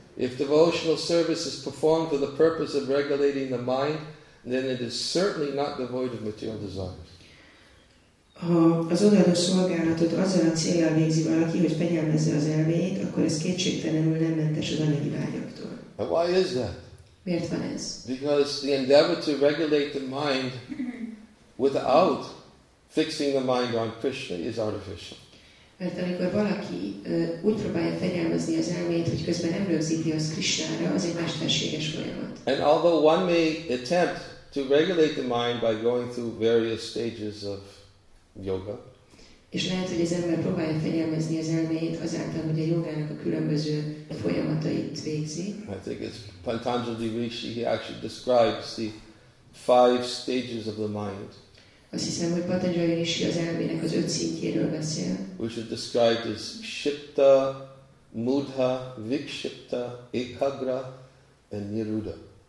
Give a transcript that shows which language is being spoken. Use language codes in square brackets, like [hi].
[en] If devotional service is performed for the purpose of regulating the mind, then it is certainly not devoid of material desires. [hu] Ha az odaadó szolgálatot azzal a céllal végzi valaki, hogy fegyelmezze az elméjét, akkor ez kétségtelenül nem mentes az anyagi vágyaktól. [en] And why is that? [hu] Miért van ez? [en] Because the endeavor to regulate the mind without fixing the mind on Krishna is artificial. [hu] Mert amikor valaki úgy próbálja fegyelmezni az elmét, hogy közben nem rögzíti az Krisnára, az egy mesterséges folyamat. [en] And although one may attempt to regulate the mind by going through various stages of yoga, [hu] és lehet, hogy az ember próbálja fegyelmezni az elmét azáltal, hogy a jogának a különböző folyamatait végzi. [en] I think it's Patanjali Rishi, he actually describes the five stages of the mind. [hu] Azt hiszem, hogy Patanjali Rishi az elmének az öt szintjéről beszél. [en] Which is described as shipta, mudha, vikshipta, ekagra, and niruda.